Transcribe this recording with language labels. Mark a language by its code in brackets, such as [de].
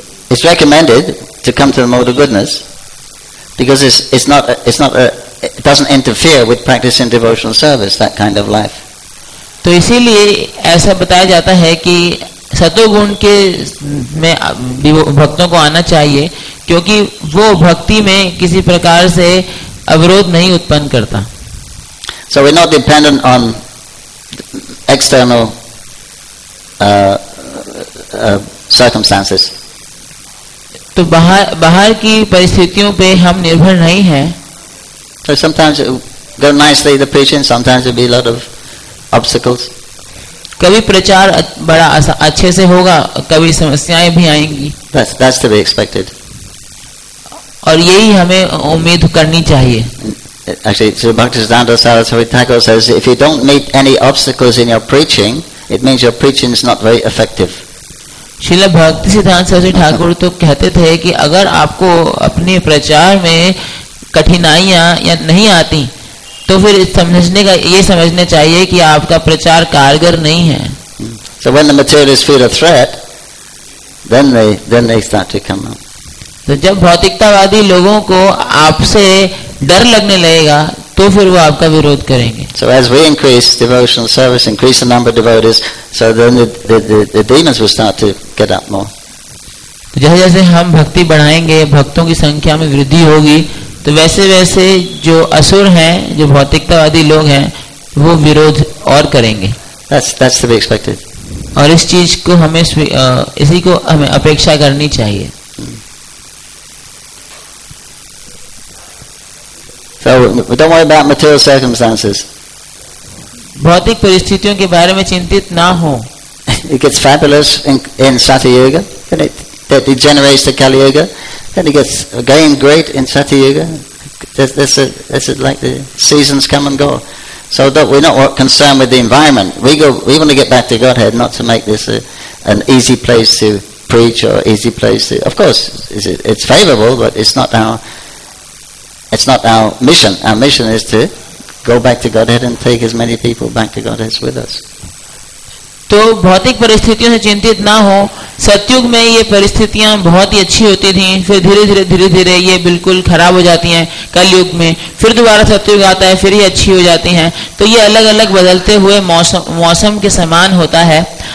[en] It's recommended to come to the mode of goodness because it doesn't interfere with practicing devotional service, that kind of life. [hi] तो इसीलिए ऐसा बताया जाता है कि सतोगुण के में भक्तों को आना चाहिए क्योंकि वो भक्ति में किसी प्रकार से अवरोध नहीं उत्पन्न करता. [en] So we're not dependent on external circumstances. [hi] तो बाहर की परिस्थितियों पे हम निर्भर नहीं हैं. [en] So sometimes go nicely the patient, sometimes there'll be a lot of obstacles. [hi] कभी प्रचार बड़ा अच्छे से होगा, कभी समस्याएं भी आएंगी. [en] That's to be expected. [hi] और यही हमें उम्मीद करनी चाहिए. [en] Actually, Sri Bhaktisiddhanta Saraswati Thakur says, if you don't meet any obstacles in your preaching, it means your preaching is not very effective. [hi] Srila भक्ति सिद्धांत सरस्वती ठाकुर तो कहते थे कि अगर आपको अपने प्रचार में कठिनाइयां या नहीं आती तो फिर ये समझने चाहिए कि आपका प्रचार कारगर नहीं है. [en] So when the materialists feel a threat, then they start to come out. [hi] तो जब भौतिकतावादी लोगों को आपसे डर लगने लगेगा तो फिर वो आपका विरोध करेंगे. [en] So as we increase devotional service, increase the number of devotees, so then the demons will start to get up more. [hi] जैसे जैसे हम भक्ति बढ़ाएंगे, भक्तों की संख्या में वृद्धि होगी, तो वैसे वैसे जो असुर हैं, जो भौतिकतावादी लोग हैं, वो विरोध और करेंगे. [en] That's to be expected. [hi] और इस चीज को हमें अपेक्षा करनी चाहिए. [en] So don't worry about material circumstances. [hi] भौतिक परिस्थितियों के बारे में चिंतित ना हो. [en] It gets fabulous in Satya Yuga, then it degenerates to Kali Yuga, then it gets again great in Satya Yuga. This is like the seasons come and go. So we're not concerned with the environment. We want to get back to Godhead, not to make this an easy place to preach or easy place to. Of course, it's favorable, but it's not our. It's not our mission. Our mission is to go back to Godhead and take as many people back to Godhead with us. [hi] तो भौतिक परिस्थितियों से चिंतित ना हो. सत्युग में ये परिस्थितियाँ बहुत ही अच्छी होती थीं, फिर धीरे धीरे ये बिल्कुल खराब हो जाती हैं कलयुग में, फिर दोबारा सत्युग आता है, फिर ये अच्छी हो जाती हैं. तो ये अलग अलग बदलते हुए मौसम के समान होता है.